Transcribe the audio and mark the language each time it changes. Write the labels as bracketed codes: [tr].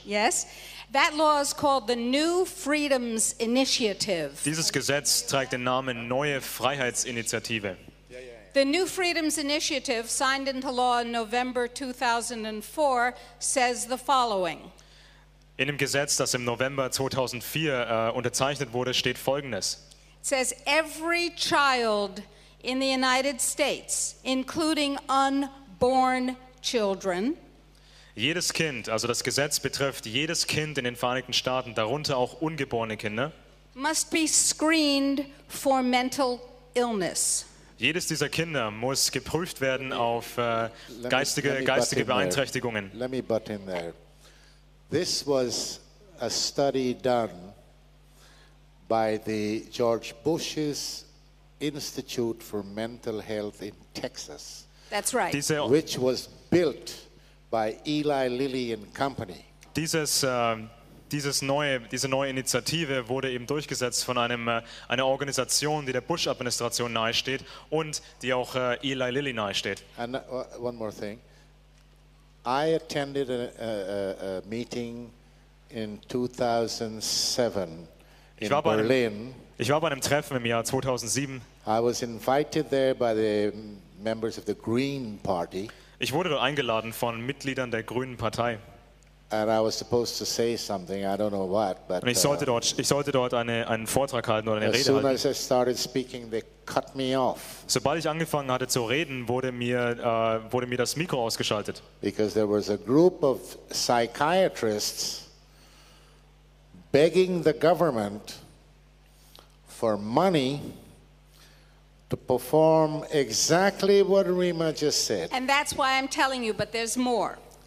[en] Yes, that law is called the New Freedoms Initiative. [de] Dieses Gesetz trägt den Namen Neue Freiheitsinitiative. [en] The New Freedoms Initiative, signed into law in November 2004, says the following. [de] In dem Gesetz, das im November 2004 unterzeichnet wurde, steht Folgendes. [en] It says every child in the United States, including unborn children. [de] Jedes Kind, also das Gesetz betrifft jedes Kind in den Vereinigten Staaten, darunter auch ungeborene Kinder. [en] Must be screened for mental illness. [de] Jedes dieser Kinder muss geprüft werden auf geistige Beeinträchtigungen. [en] Let me butt in there. This was a study done by the George Bush's Institute for Mental Health in Texas. That's right. Which was built by Eli Lilly and Company. [de] Dieses diese neue Initiative wurde eben durchgesetzt von einer Organisation, die der Bush-Administration nahesteht und die auch Eli Lilly nahesteht. [en] And one more thing. I attended a meeting in 2007 in Berlin. [de] Ich war bei einem Treffen im Jahr 2007. [en] I was invited there by the members of the Green Party. [de] Ich wurde dort eingeladen von Mitgliedern der Grünen Partei. [en] And I was supposed to say something, I don't know what, but [de] ich sollte dort einen Vortrag halten oder eine Rede halten. [en] As soon as I started speaking, they cut me off. [de] Sobald ich angefangen hatte zu reden, wurde mir das Mikro ausgeschaltet. [en] Because there was a group of psychiatrists begging the government for money to perform exactly what Rima just said. And that's why I'm telling you, but there's more.